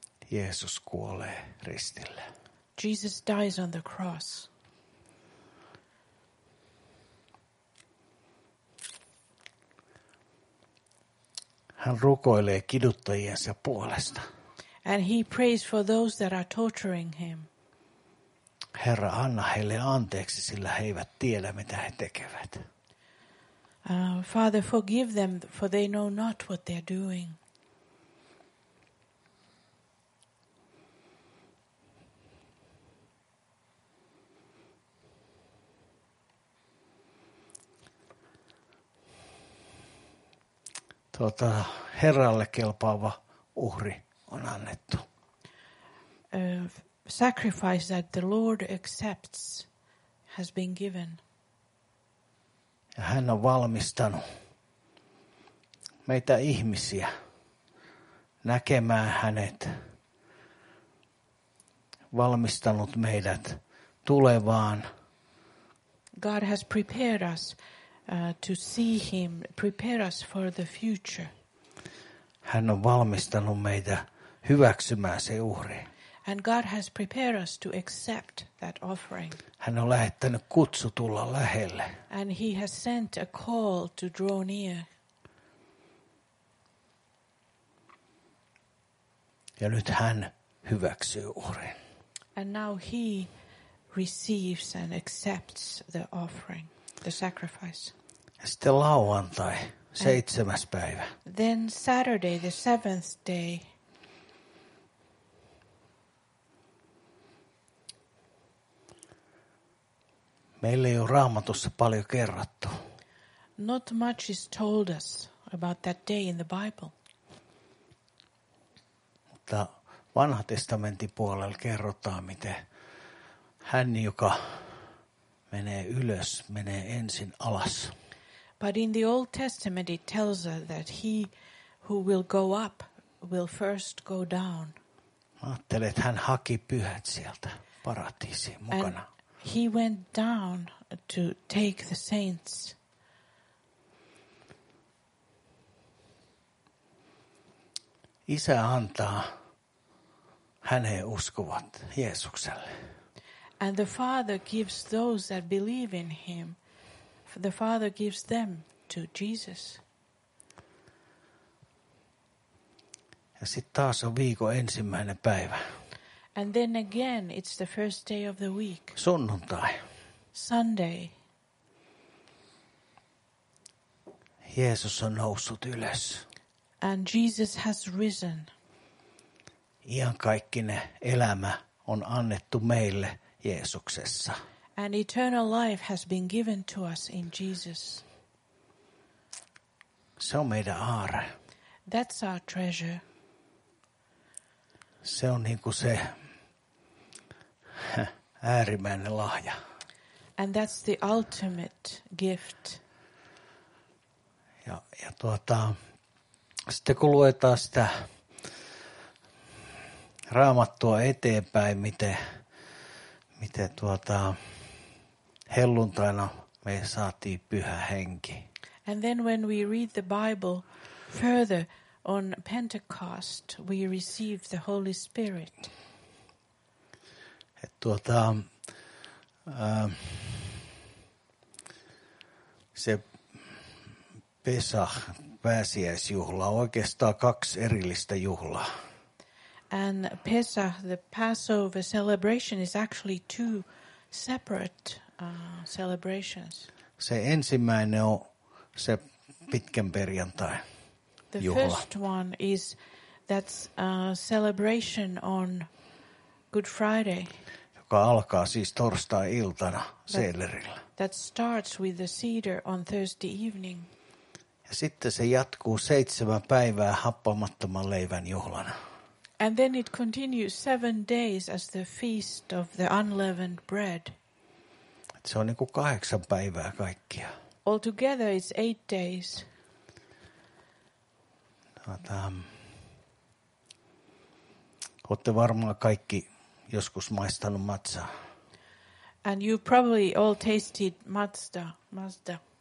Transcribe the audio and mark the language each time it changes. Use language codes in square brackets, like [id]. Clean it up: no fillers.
[fi] Jeesus kuolee ristillä. [en] Jesus dies on the cross. [fi] Hän rukoilee kiduttajiensa puolesta. [en] And he prays for those that are torturing him. [fi] Herra, anna heille anteeksi, sillä he eivät tiedä, mitä he tekevät. [en] Father, forgive them, for they know not what they're doing. [fi] Herralle kelpaava uhri on annettu. [en] Sacrifice that the Lord accepts has been given. [fi] Ja hän on valmistanut meitä ihmisiä näkemään hänet. Valmistanut meidät tulevaan. [en] God has prepared us to see him, prepare us for the future. [fi] Hän on valmistanut meitä hyväksymään se uhri. [en] And God has prepared us to accept that offering. [fi] Hän on lähettänyt kutsu tulla lähelle. [en] And he has sent a call to draw near. [fi] Ja nyt hän hyväksyy uhrin. [en] And now he receives and accepts the offering, the sacrifice. [fi] Ja sitten lauantai, seitsemäs päivä. [en] Then Saturday, the seventh day. [fi] Meille ei ole Raamatussa paljon kerrottu. [en] Not much is told us about that day in the Bible. [fi] Mutta Vanha testamentin puolella kerrotaan, miten hän, joka menee ylös, menee ensin alas. [en] But in the Old Testament it tells us that he who will go up will first go down. [fi] Ajattelin, että hän haki pyhät sieltä paratiisiin mukana. [en] And he went down to take the saints. [fi] Isä antaa häneen uskovat Jeesukselle. [en] And the Father gives those that believe in him, the Father gives them to Jesus. [fi] Ja sitten taas on viikon ensimmäinen päivä. [en] And then again it's the first day of the week. [fi] Sunnuntai. [en] Sunday. [fi] Jeesus on noussut ylös. [en] And Jesus has risen. [fi] Iankaikkinen elämä on annettu meille Jeesuksessa. [en] And eternal life has been given to us in Jesus. [fi] Se on meidän aare. [en] That's our treasure. [fi] Se on niin kuin se äärimmäinen lahja. [en] And that's the ultimate gift. [fi] Ja tuota, sitten kun luetaan sitä Raamattua eteenpäin, miten tuota helluntaina me saatiin Pyhä Henki. [en] And then when we read the Bible further on Pentecost, we receive the Holy Spirit. [fi] Et tuota, se Pesach, pääsiäisjuhla, oikeastaan kaksi erillistä juhlaa. [en] And Pesach, the Passover celebration, is actually two separate celebrations. [fi] Se ensimmäinen on se pitkän perjantai juhla. [en] The first one is that celebration on Good Friday. [fi] Joka alkaa siis torstai-iltana seelerillä. [en] That starts with the cedar on Thursday evening. [fi] Ja sitten se jatkuu 7 päivää happamattoman leivän juhlana. [en] And then it continues 7 days as the feast of the unleavened bread. [fi] Et se on niinku 8 päivää kaikkia. [en] Altogether it's 8 days. [fi] Olette varmaan kaikki joskus maistanut matzaa. [en] And you probably all tasted matzah. Mazda.